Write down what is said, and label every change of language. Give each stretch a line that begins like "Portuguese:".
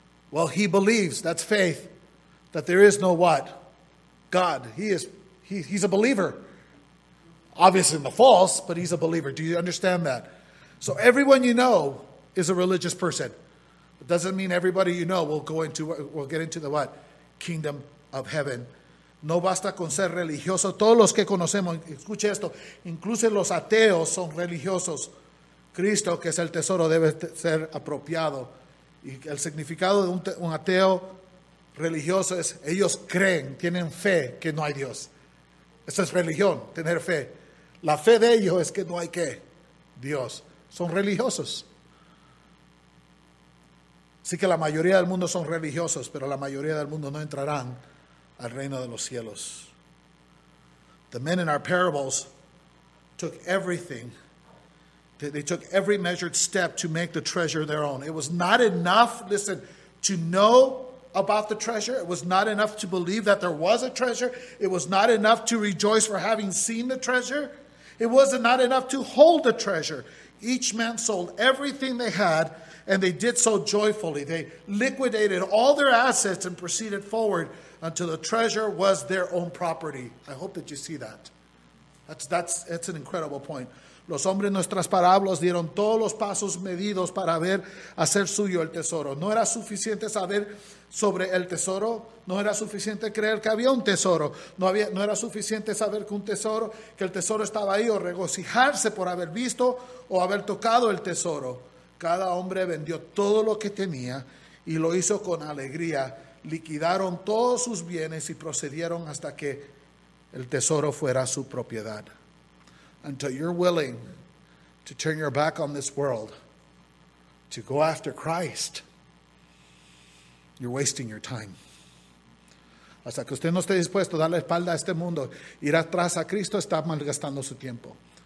English: Well, he believes, that's faith, that there is no what? God. He's a believer. Obviously in the false, but he's a believer. Do you understand that? So everyone you know is a religious person. It doesn't mean everybody you know will get into the what? Kingdom of heaven.
Spanish: No basta con ser religioso. Todos los que conocemos, escuche esto, incluso los ateos son religiosos. Cristo, que es el tesoro, debe ser apropiado. Y el significado de un ateo religioso es ellos creen, tienen fe que no hay Dios. Eso es religión, tener fe. La fe de ellos es que no hay qué, Dios. Son religiosos. Así que la mayoría del mundo son religiosos, pero la mayoría del mundo no entrarán al reino de los cielos.
English: The men in our parables took everything. They took every measured step to make the treasure their own. It was not enough, listen, to know about the treasure. It was not enough to believe that there was a treasure. It was not enough to rejoice for having seen the treasure. It was not enough to hold the treasure. Each man sold everything they had, and they did so joyfully. They liquidated all their assets and proceeded forward until the treasure was their own property. I hope that you see that. That's an incredible point.
Spanish: Los hombres en nuestras parábolas dieron todos los pasos medidos para ver hacer suyo el tesoro. No era suficiente saber sobre el tesoro. No era suficiente creer que había un tesoro. No era suficiente saber que el tesoro estaba ahí o regocijarse por haber visto o haber tocado el tesoro. Cada hombre vendió todo lo que tenía y lo hizo con alegría. Liquidaron todos sus bienes y procedieron hasta que el tesoro fuera su propiedad.
English: Until you're willing to turn your back on this world to go after Christ, you're wasting your time.
Spanish: Hasta que usted no esté dispuesto a darle espalda a este mundo, ir atrás a Cristo, está malgastando su tiempo.